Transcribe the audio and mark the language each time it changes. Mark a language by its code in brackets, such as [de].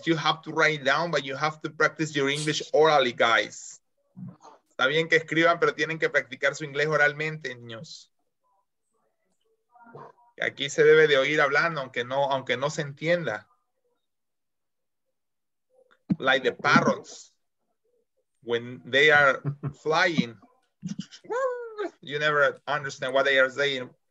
[en] You have to write down, but you have to practice your English orally, guys. [es] Está bien que escriban, pero tienen que practicar su inglés oralmente, niños. Aquí se debe de oír hablando, aunque no se entienda. [en] Like the parrots, when they are flying, you never understand what they are saying.